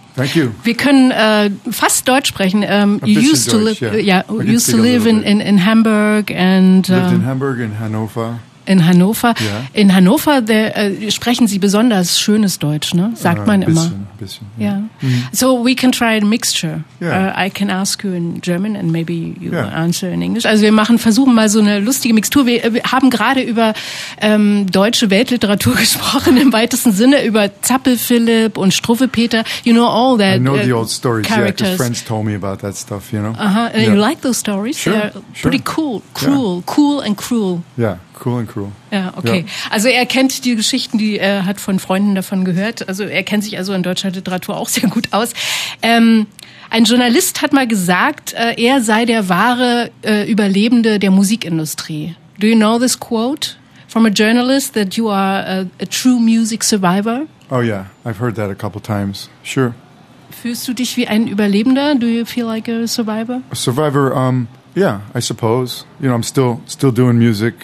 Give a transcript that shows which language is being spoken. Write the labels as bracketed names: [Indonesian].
[English] Thank you. [German] Wir können fast Deutsch sprechen. [English] You used to live in Hamburg and lived in Hamburg and Hannover. In Hannover. [German] Yeah. In Hannover sprechen Sie besonders schönes Deutsch, ne? Sagt man bisschen, immer. Bisschen. [English] Yeah. Yeah. Mm-hmm. So we can try a mixture. Yeah. I can ask you in German and maybe you answer in English. [German] Also wir versuchen mal so eine lustige Mixtur. Wir haben gerade über deutsche Weltliteratur gesprochen im weitesten Sinne, über Zappelphilipp und Struffelpeter. [English] You know all that. I know the old stories. Characters. Yeah, friends told me about that stuff, you know. Uh-huh. And you like those stories? Sure. They're pretty cool. Cruel. Yeah. Cool and cruel. Yeah. Cool and cruel. Ja, okay. Yeah. [German] Also er kennt die Geschichten, die er hat von Freunden davon gehört. Also er kennt sich also in deutscher Literatur auch sehr gut aus. Ein Journalist hat mal gesagt, er sei der wahre Überlebende der Musikindustrie. [English] Do you know this quote from a journalist that you are a true music survivor? Oh yeah, I've heard that a couple times. Sure. [German] Fühlst du dich wie ein Überlebender? [English] Do you feel like a survivor? A survivor, yeah, I suppose. You know, I'm still doing music.